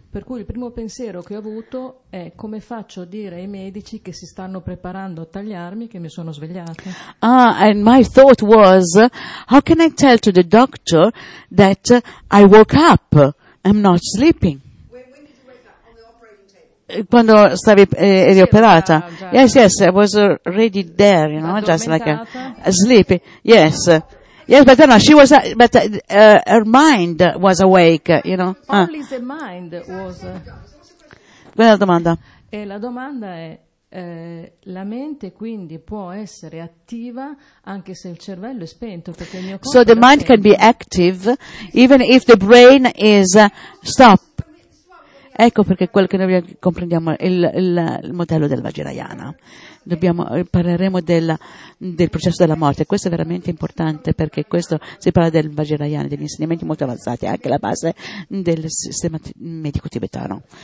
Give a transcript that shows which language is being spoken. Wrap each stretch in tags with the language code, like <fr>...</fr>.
<it>Per cui il primo pensiero che ho avuto è: come faccio a dire ai medici che si stanno preparando a tagliarmi che mi sono svegliata?</it> <en>Ah, and my thought was: how can I tell to the doctor that I woke up? I'm not sleeping.</en> <it>Quando stavi eri sì, operata? Già,</it> <en>yes, yes, I was already there, you know, just like sleepy. Yes, yes, but no, she was, but her mind was awake, you know. Only the mind was.</en> <it>Qual è la domanda? E la domanda è: la mente quindi può essere attiva anche se il cervello è spento, perché il mio corpo.</it> <en>So the mind can be active even if the brain is stopped.</en> <it>Ecco perché quello che noi comprendiamo è il modello del Vajrayana. Dobbiamo, parleremo del processo della morte. Questo è veramente importante perché questo si parla del Vajrayana, degli insegnamenti molto avanzati, anche la base del sistema medico tibetano.</it>